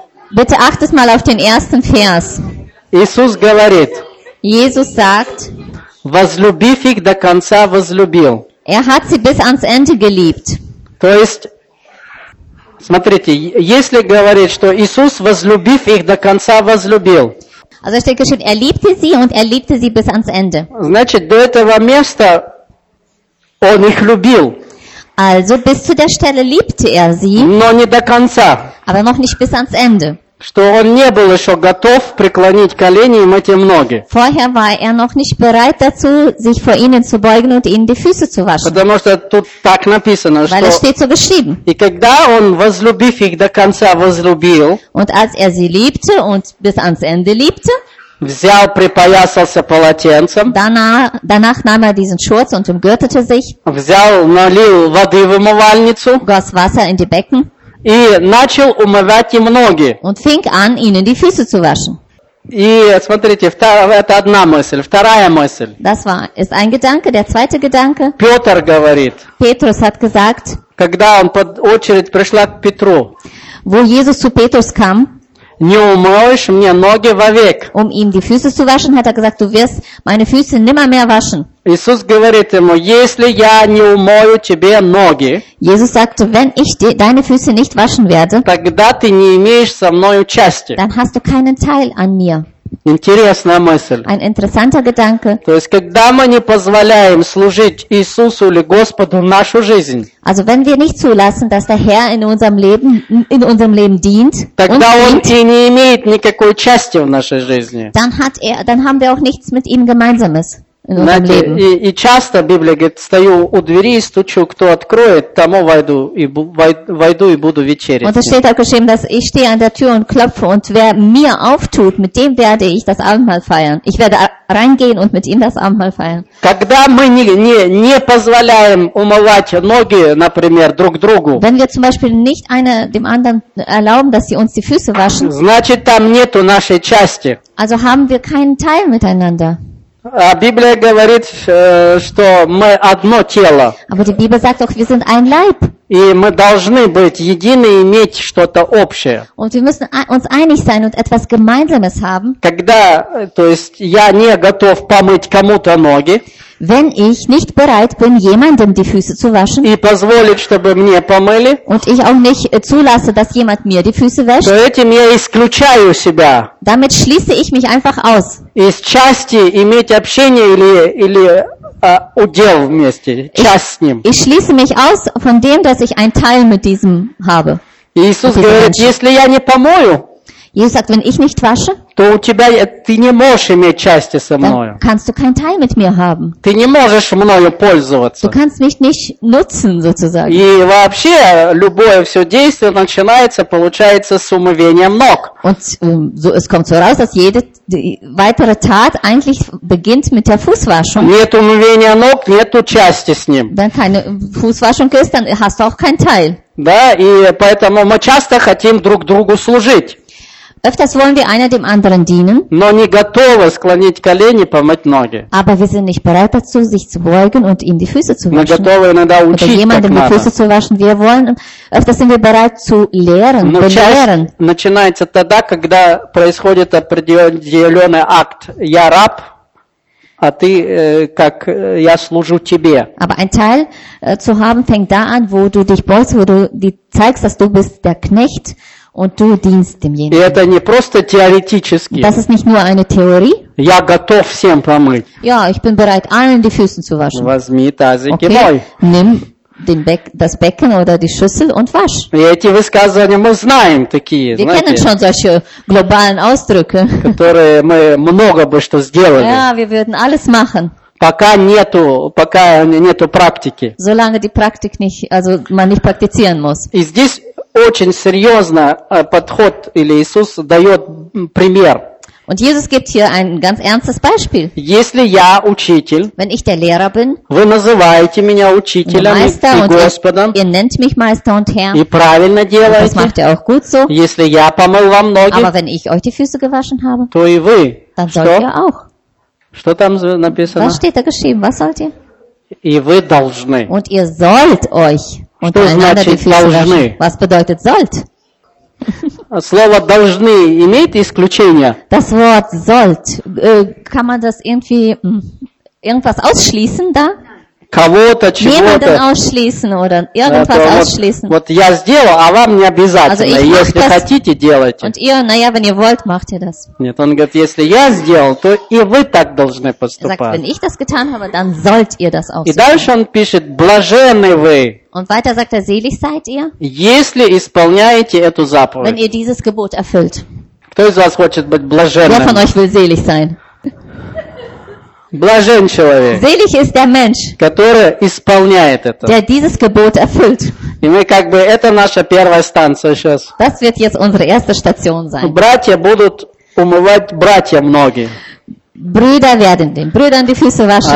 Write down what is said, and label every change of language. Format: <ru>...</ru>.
<de>Bitte achtet mal auf den ersten Vers.</de> <ru>Иисус говорит.</ru> <de>Jesus sagt.</de> <ru>Возлюбив их до конца, возлюбил.</ru> <de>Er hat sie bis ans Ende geliebt.</de> <ru>То есть, смотрите, если говорит, что Иисус, возлюбив их до конца, возлюбил.</ru> <de>Also steht geschrieben, er liebte sie und er liebte sie bis ans Ende.</de> <ru>Значит, до этого места он их любил.</ru> <de>Also bis zu der Stelle liebte er sie.</de> <ru>Но не до конца.</ru> <de>Aber noch nicht bis ans Ende.</de> <ru>Что он не был еще готов преклонить колени и мыть им ноги.</ru> <de>Vorher war er noch nicht bereit dazu, sich vor ihnen zu beugen und ihnen die Füße zu waschen.</de> <ru>Потому что тут так написано, что.</ru> <de>Weil es steht so geschrieben.</de> <ru>И когда он возлюбив их до конца возлюбил.</ru> <de>Und als er sie liebte und bis ans Ende liebte.</de> <ru>Взял, припоясался полотенцем.</ru> <de>Danach nahm er diesen Schurz und umgürtete sich.</de> <ru>Взял, налил воды в умывальницу.</ru> <de>Goss Wasser in die Becken.</de> <ru>И начал умывать им ноги.</ru> <de>Und fing an, ihnen die Füße zu waschen.</de> <ru>И смотрите, это одна мысль. Вторая мысль.</ru> <de>Das war, ist ein Gedanke. Der zweite Gedanke.</de> <ru>Петр говорит.</ru> <de>Petrus hat gesagt.</de> <ru>Когда он под очередь пришла к Петру.</ru> <de>Wo Jesus zu Petrus kam.</de> <ru>Не умоешь мне ноги вовек.</ru> <de>Um ihm die Füße zu waschen, hat er gesagt, du wirst meine Füße nimmer mehr waschen.</de> <ru>Иисус говорит ему, если я не умою тебе ноги,</ru> <de>Jesus sagte, wenn ich deine Füße nicht waschen werde,</de> <ru>тогда ты не имеешь со мной участия.</ru> <de>Dann hast du keinen Teil an mir.</de> <ru>Интересная мысль.</ru> <de>Ein interessanter Gedanke.</de> <ru>То есть, когда мы не позволяем служить Иисусу или Господу в нашу жизнь,</ru> <de>also, wenn wir nicht zulassen, dass der Herr in unserem Leben dient,</de> <ru>тогда он и не имеет никакой части в нашей жизни.</ru> <de>Dann haben wir auch nichts mit ihm Gemeinsames.</de> <ru>Знаете, и часто Библия говорит, стою у двери и стучу, кто откроет, тому войду и буду вечерить.</ru> <de>Und es steht auch geschrieben, dass ich stehe an der Tür und klopfe und wer mir auftut, mit dem werde ich das Abendmahl feiern. Ich werde reingehen und mit ihm das Abendmahl feiern.</de> <ru>Когда мы не позволяем умывать ноги, например, друг другу.</ru> <de>Wenn wir zum Beispiel nicht einer dem anderen erlauben, dass sie uns die Füße waschen.</de> <ru>Значит, там нету нашей части.</ru> <de>Also haben wir keinen Teil miteinander.</de> <ru>А Библия говорит, что мы одно тело.</ru> <de>Aber die Bibel sagt auch, wir sind ein Leib.</de> <ru>И мы должны быть едины и иметь что-то общее.</ru> <de>Und wir müssen uns einig sein und etwas Gemeinsames haben.</de> <ru>Когда, то есть, я не готов помыть кому-то ноги.</ru> <de>Wenn ich nicht bereit bin, jemandem die Füße zu waschen,</de> <ru>и позволит, чтобы мне помыли,</ru> <de>und ich auch nicht zulasse, dass jemand mir die Füße wäscht,</de> <ru>то этим я исключаю себя.</ru> <de>Damit schließe ich mich einfach aus.</de> <ru>Из части иметь общение или удел вместе, часть с ним.</ru> <de>Ich schließe mich aus von dem, dass ich ein Teil mit diesem habe.</de> <ru>Иисус говорит, если я не помою,</ru> <de>Jesus sagt, wenn ich nicht wasche,</de> <ru>то у тебя ты не можешь иметь части со мною.</ru> <de>Dann kannst du keinen Teil mit mir haben.</de> <ru>Ты не можешь мною пользоваться.</ru> <de>Du kannst mich nicht nutzen, sozusagen.</de> <ru>И вообще любое все действие начинается, получается, с умывания ног.</ru> <de>Und so, es kommt so raus, dass jede weitere Tat eigentlich beginnt mit der Fußwaschung.</de> <ru>Нет умывания ног, нету части с ним.</ru> <de>Wenn keine Fußwaschung ist, dann hast du auch keinen Teil.</de> <ru>Да, и поэтому мы часто хотим друг другу служить.</ru> <de>Öfters wollen wir einer dem anderen dienen.</de> <ru>Но не готовы склонить колени, помыть ноги.</ru> <de>Aber wir sind nicht bereit dazu, sich zu beugen und ihm die Füße zu waschen.</de> <ru>Мы готовы иногда учить.</ru> <de>Oder jemandem die Füße zu waschen. Wir wollen. Öfters sind wir bereit zu lehren, belehren.</de> <ru>Начинается тогда, когда происходит определенный акт. Я раб. А ты, как я служу тебе.</ru> <de>Aber ein Teil zu haben fängt da an, wo du dich beugst, wo du die zeigst, dass du bist der Knecht. Und du dienst demjenigen.</de> <ru>И это не просто теоретически.</ru> <de>Das ist nicht nur eine Theorie.</de> <ru>Я готов всем помыть.</ru> <de>Ja, ich bin bereit, allen die Füße zu waschen.</de> <ru>Возьми тазик okay. и мой.</ru> <de>Nimm das Becken oder die Schüssel und wasch.</de> <ru>И эти высказывания мы знаем такие.</ru> <de>Wir kennen schon solche globalen Ausdrücke.</de> <ru>Которые мы много бы что сделали.</ru> <de>Ja, wir würden alles machen.</de> <ru>Пока нету практики.</ru> <de>Solange die Praktik nicht, also man nicht praktizieren muss.</de> <ru>И здесь очень серьезно подход, или Иисус дает пример.</ru> <de>Und Jesus gibt hier ein ganz ernstes Beispiel.</de> <ru>Если я учитель,</ru> <de>wenn ich der Lehrer bin,</de> <ru>вы называете меня учителем</ru> <de>Meister</de> <ru>и Господом,</ru> <de>ihr nennt mich Meister und Herr,</de> <ru>и правильно делаете,</ru> <de>das macht ihr auch gut so,</de> <ru>если я помыл вам ноги,</ru> <de>aber wenn ich euch die Füße gewaschen habe,</de> <ru>то и вы,</ru> <de>dann sollt ihr auch.</de> <ru>Что там написано?</ru> <de>Was steht da geschrieben? Was sollt ihr?</de> <ru>И вы должны.</ru> <de>Und ihr sollt euch.</de> <ru>Что значит «должны»?</ru> <de>Was bedeutet «sollt»?</de> <ru>слово должны имеет исключение.</ru> <de>Das Wort sollt, kann man das irgendwie irgendwas ausschließen da?</de> <ru>Кого-то, чего-то.</ru> <de>Jemanden ausschließen oder irgendwas ausschließen.</de> <ru>Вот, вот я сделал, а вам не обязательно.</ru> <de>Also</de> <ru>если</ru> <de>das,</de> <ru>хотите, делайте.</ru> <de>Und ihr, naja, wenn ihr wollt, macht ihr das.</de> <ru>Нет, он говорит, если я сделал, то и вы так должны поступать.</ru> <de>Sagt, wenn ich das getan habe, dann sollt ihr das auch.</de> <ru>И дальше он пишет, блаженны вы.</ru> <de>Und weiter sagt er, selig seid ihr.</de> <ru>Если исполняете эту заповедь.</ru> <de>Wenn ihr dieses Gebot erfüllt.</de> <ru>Кто из вас хочет быть блаженным?</ru> <de>Wer von euch will selig sein?</de> <ru>Блажен человек,</ru> <de>Selig ist der Mensch,</de> <ru>который исполняет это.</ru> <de>Der dieses Gebot erfüllt.</de> <ru>И мы как бы, это наша первая станция сейчас.</ru> <de>Das wird jetzt unsere erste Station sein.</de> <ru>Братья будут умывать братья многие.</ru> <de>Brüder werden den Brüdern die Füße waschen.</de>